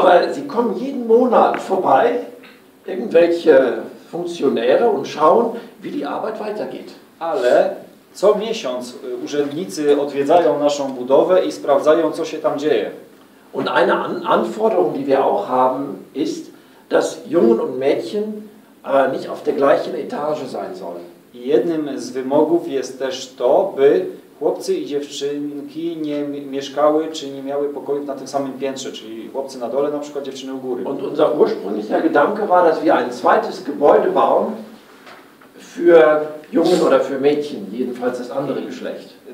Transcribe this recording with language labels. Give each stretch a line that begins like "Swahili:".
German: Aber sie kommen jeden Monat vorbei, irgendwelche funkcjonäre und schauen, wie die Arbeit weitergeht.
Polish: Ale co miesiąc urzędnicy odwiedzają naszą budowę i sprawdzają, co się tam dzieje.
German: Und eine Anforderung, die wir auch haben, ist, dass Jungen und Mädchen nicht auf der gleichen Etage sein sollen.
Polish: I jednym z wymogów jest też to, by chłopcy i dziewczynki nie mieszkały czy nie miały pokoju na tym samym piętrze, czyli chłopcy na dole, na przykład dziewczyny u góry.
German: Und unser ursprünglicher Gedanke war, dass wir ein zweites Gebäude bauen für Jungen oder für Mädchen, jedenfalls das andere Geschlecht.